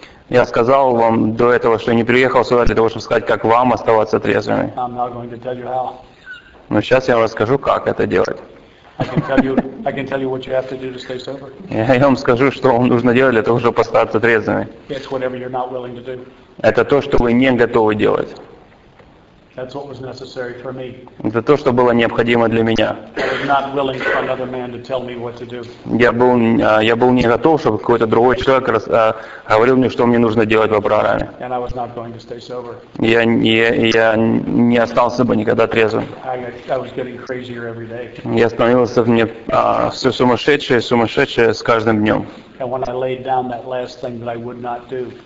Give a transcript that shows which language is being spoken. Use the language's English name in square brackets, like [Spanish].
[Russian] Я сказал вам до этого, что не приехал сюда для того, чтобы сказать, как вам оставаться трезвыми. [English] I'm not going to tell you how. [Russian] Но сейчас я вам расскажу, как это делать. [English] I can tell you what you have to do to stay sober. [Russian] Я вам скажу, что вам нужно делать для того, чтобы остаться трезвыми. [English] It's whatever you're not willing to do. [Russian] Это то, что вы не готовы делать. [English] That's what was necessary for me. [Russian] Это то, что было необходимо для меня. [English] I was not willing for another man to tell me what to do. [Russian] Я был не готов, чтобы какой-то другой человек говорил мне, что мне нужно делать в аппарате. [English] And I was not going to stay sober. [Russian] Я не остался бы никогда трезвым. [English] I was getting crazier every day. [Russian] Я становился все сумасшедшее и сумасшедшее с каждым днем. [English] And when I laid down that last thing that I would not do.